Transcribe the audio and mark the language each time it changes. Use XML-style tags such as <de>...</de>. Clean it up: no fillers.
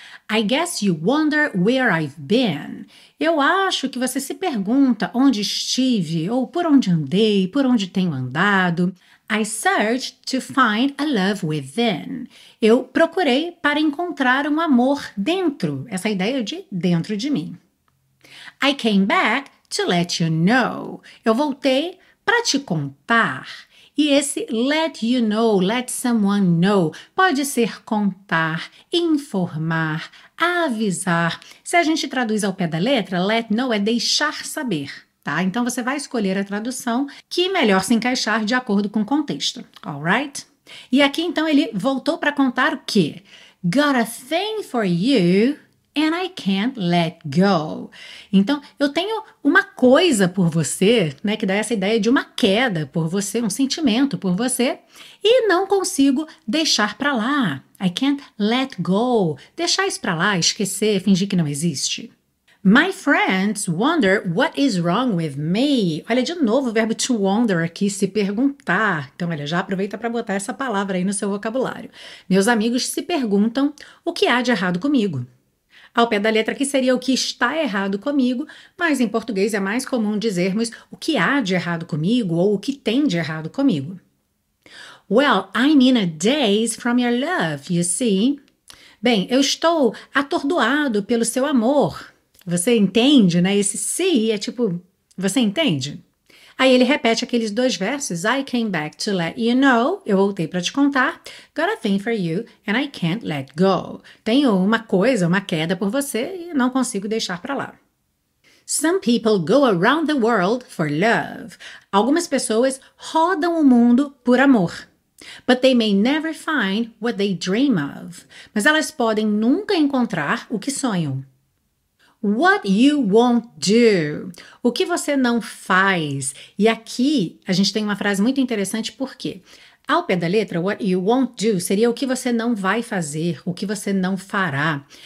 <en>I guess you wonder where I've been.</en> <pt>Eu acho que você se pergunta onde estive, ou por onde andei, por onde tenho andado.</pt> <en>I searched to find a love within.</en> <pt>Eu procurei para encontrar um amor dentro, essa ideia de dentro de mim.</pt> <en>I came back to let you know.</en> <pt>Eu voltei para te contar. E esse</pt> <en>let you know, let someone know,</en> <pt>pode ser contar, informar, avisar. Se a gente traduz ao pé da letra,</pt> <en>let know</en> <pt>é deixar saber, tá? Então você vai escolher a tradução que melhor se encaixar de acordo com o contexto, alright? E aqui então ele voltou para contar o quê?</pt> <en>Got a thing for you and I can't let go.</en> <pt>Então, eu tenho uma coisa por você, né, que dá essa ideia de uma queda por você, um sentimento por você, e não consigo deixar pra lá.</pt> <en>I can't let go.</en> <pt>Deixar isso pra lá, esquecer, fingir que não existe.</pt> <en>My friends wonder what is wrong with me.</en> <pt>Olha, de novo o verbo to wonder aqui, se perguntar. Então, olha, já aproveita para botar essa palavra aí no seu vocabulário. Meus amigos se perguntam o que há de errado comigo. Ao pé da letra aqui seria o que está errado comigo, mas em português é mais comum dizermos o que há de errado comigo ou o que tem de errado comigo.</pt> <en>Well, I'm in a daze from your love, you see.</en> <pt>Bem, eu estou atordoado pelo seu amor. Você entende, né? Esse see é tipo, você entende? Aí ele repete aqueles dois versos.</pt> <en>I came back to let you know.</en> <pt>Eu voltei para te contar.</pt> <en>Got a thing for you and I can't let go.</en> <pt>Tenho uma coisa, uma queda por você e não consigo deixar para lá.</pt> <en>Some people go around the world for love.</en> <pt>Algumas pessoas rodam o mundo por amor.</pt> <en>But they may never find what they dream of.</en> <pt>Mas elas podem nunca encontrar o que sonham.</pt> <en>What you won't do.</en> <pt>O que você não faz. E aqui a gente tem uma frase muito interessante porque ao pé da letra,</pt> <en>what you won't do</en> <pt>seria o que você não vai fazer, o que você não fará.</pt>